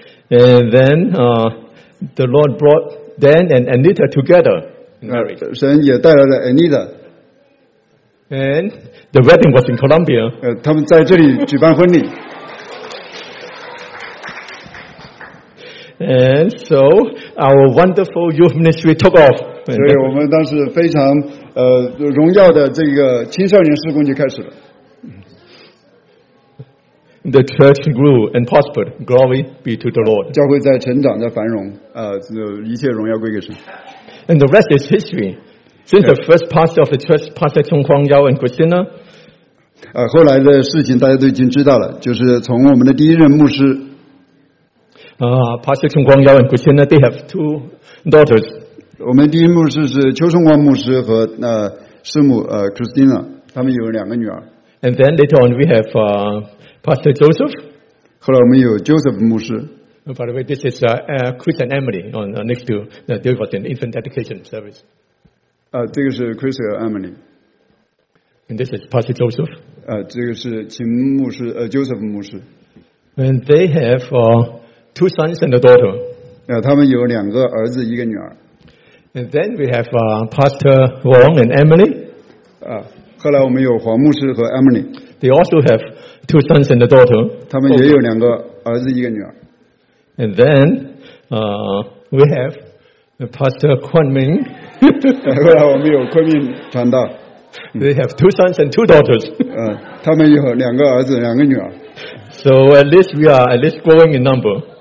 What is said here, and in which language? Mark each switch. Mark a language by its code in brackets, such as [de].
[en] And then, the Lord brought Dan and Anita together. [zh] 神也带来了 Anita. [en] And the wedding was in Colombia. [zh] 他们在这里举办婚礼。 [en] And so our wonderful youth ministry took off. [zh] 所以我们当时非常荣耀的这个青少年事工就开始了。 [en] The church grew and prospered. Glory be to the Lord. [zh] 教会在成长，在繁荣，一切荣耀归给神。 [en] And the rest is history. Since the first pastor of the church, Pastor Chung Kwang Yao and Christina. [zh] 后来的事情大家都已经知道了，就是从我们的第一任牧师。 [en] Pastor Chung Kwang Yao and Christina, they have two daughters. [zh] 我们第一牧师是邱崇光牧师和师母Christina, 他们有两个女儿。 [en] And then later on we have Pastor Joseph. [zh] 后来我们有 Joseph 牧师。 [en] By the way, this is Chris and Emily on next to the Devotion Infant Dedication Service. [zh] 这个是 Chris 和 Emily. [en] And this is Pastor Joseph. [zh] 这个是秦牧师Joseph 牧师。 [en] And they have two sons and a daughter. [zh] 他们有两个儿子，一个女儿。 [en] And then we have Pastor Wong and Emily. [zh] 后来我们有黄牧师和 Emily. [en] They also have two sons and a daughter. [zh] 他们也有两个儿子，一个女儿。 [en] And then we have Pastor Kwan Ming. [zh] 后来我们有昆明传道。 [en] They have two sons and two daughters. [zh] 他们有两个儿子，两个女儿。 [en] So at least we are at least growing in number.